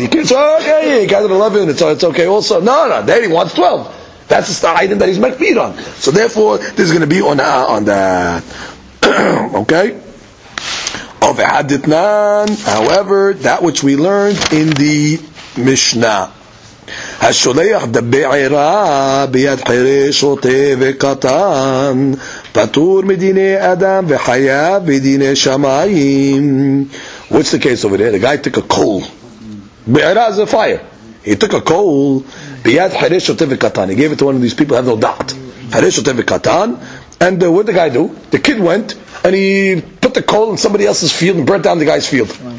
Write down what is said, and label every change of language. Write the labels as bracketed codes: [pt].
[en] You can't say, okay, you got it 11, it's okay also. No, no, daddy wants 12. That's the item that he's makfid on. So therefore, there's going to be on that. Okay? Of Haditnan, however, that which we learned in the Mishnah. [he] השולח דבעירה ביד חירי שוטה וקטן פטור מדיני אדם וחיה ודיני שמיים. [en] What's the case over there? The guy took a coal. בעירה is a fire. He took a coal [he] ביד חירי שוטה וקטן. [en] He gave it to one of these people who have no doubt. [he] חירי שוטה וקטן. [en] And what did the guy do? The kid went and he put the coal in somebody else's field and burnt down the guy's field.